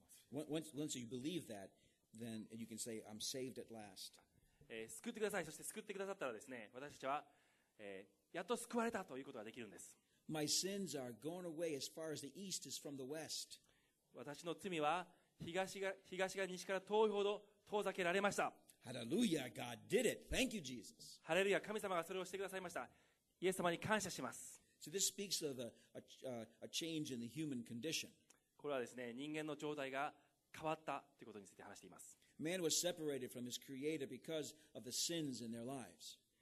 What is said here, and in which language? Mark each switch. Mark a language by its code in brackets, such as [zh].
[en] Once you believe that, then you can say, I'm saved at last. [ja] 救ってください。そして救ってくださったらですね、私たちは、やっと救われたということができるんです。 [en] My sins are gone away as far as the east is from the west. [ja] 私の罪は東が西から遠いほど遠ざけられました。 [en] Hallelujah, God did it. Thank you, Jesus. [ja] ハレルヤ、神様がそれをしてくださいました。イエス様に感謝します。 [en] So this speaks of a change in the human condition. [ja] これはですね、人間の状態が変わったということについて話しています。 [en] Man was separated from his creator because of the sins in their lives.